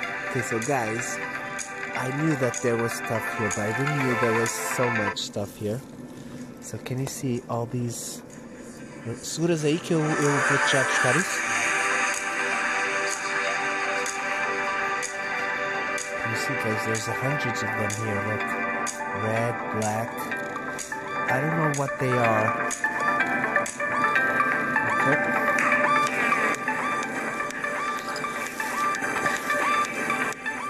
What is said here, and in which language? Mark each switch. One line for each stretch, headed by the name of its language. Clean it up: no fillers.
English: Okay, so guys, I knew that there was stuff here, but I didn't know there was so much stuff here. So can you see all these...
Portuguese: Seguras aí que eu vou já buscar isso.
English: Can you see, guys, there's hundreds of them here, look. Red, black... I don't know what they are. Okay.